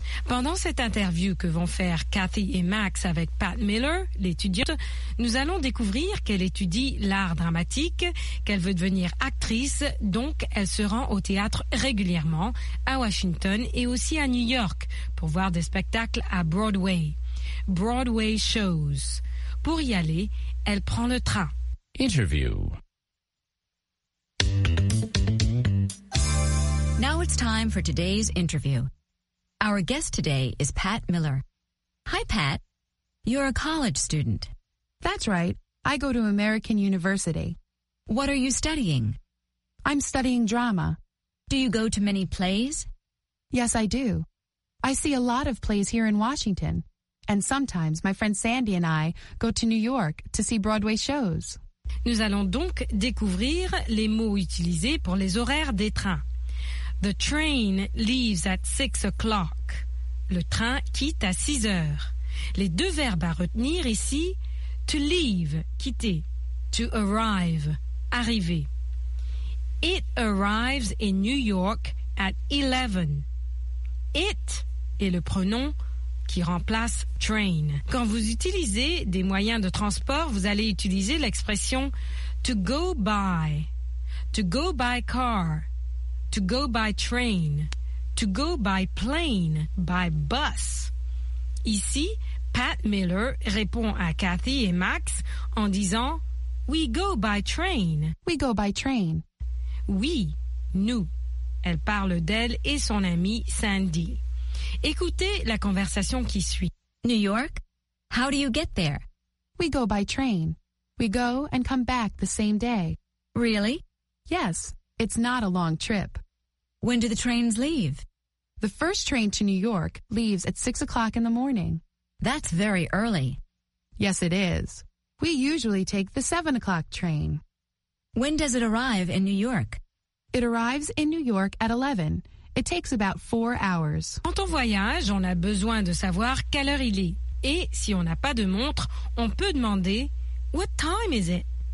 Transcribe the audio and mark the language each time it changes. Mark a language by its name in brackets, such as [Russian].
[French] Pendant cette interview que vont faire Kathy et Max avec Pat Miller, l'étudiante, nous allons découvrir qu'elle étudie l'art dramatique, qu'elle veut devenir actrice, donc elle se rend au théâtre régulièrement, à Washington et aussi à New York, pour voir des spectacles à Broadway. [English] Broadway shows. [French] Pour y aller, elle prend le train. [English] Interview. Now it's time for today's interview. Our guest today is Pat Miller. Hi, Pat. You're a college student. That's right. I go to American University. What are you studying? I'm studying drama. Do you go to many plays? Yes, I do. I see a lot of plays here in Washington. And sometimes my friend Sandy and I go to New York to see Broadway shows. [French] Nous allons donc découvrir les mots utilisés pour les horaires des trains. [English] The train leaves at 6 o'clock. [French] Le train quitte à 6 heures. Les deux verbes à retenir ici, [English] to leave, [French] quitter, [English] to arrive, [French] arriver. [English] It arrives in New York at 11. [French] It est le pronom qui remplace train. Quand vous utilisez des moyens de transport, vous allez utiliser l'expression [English] to go by car, to go by train, to go by plane, by bus. [French] Ici, Pat Miller répond à Kathy et Max en disant [English] we go by train. We go by train. [French] Oui, nous. Elle parle d'elle et son amie Sandy. Écoutez la conversation qui suit. [English] New York, how do you get there? We go by train. We go and come back the same day. Really? Yes, it's not a long trip. When do the trains leave? The first train to New York leaves at 6 o'clock in the morning. That's very early. Yes, it is. We usually take the 7 o'clock train. When does it arrive in New York? It arrives in New York at 11. It takes about 4 hours. [French] Quand on voyage, on a besoin de savoir quelle heure il est. Et si on n'a pas de montre, on peut demander, [English] What time is it?